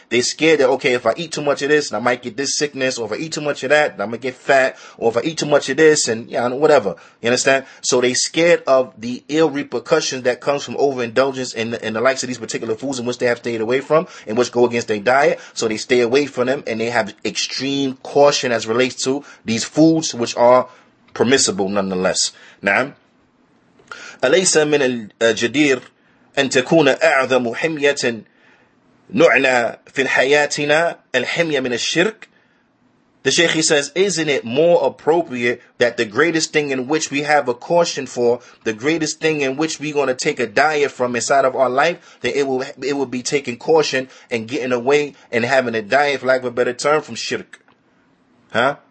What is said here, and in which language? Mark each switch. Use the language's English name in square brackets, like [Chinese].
[English] They're scared that, okay, if I eat too much of this, I might get this sickness, or if I eat too much of that, I'm gonna get fat, or if I eat too much of this, and yeah, whatever. You understand? So they're scared of the ill repercussions that comes from overindulgence in the likes of these particular foods in which they have stayed away from, and which go against their diet. So they stay away from them, and they have extreme caution as relates to these foods, which are permissible nonetheless. [Arabic] Now, أَلَيْسَ مِنَ الْجَدِيرِ أن تكون أعظم حمية نعنى في حياتنا الحمية من الشرك. [English] The Sheikh, he says, isn't it more appropriate that the greatest thing in which we have a caution for, the greatest thing in which we're going to take a diet from inside of our life, that it will be taking caution and getting away and having a diet, for lack of a better term, from shirk. Huh?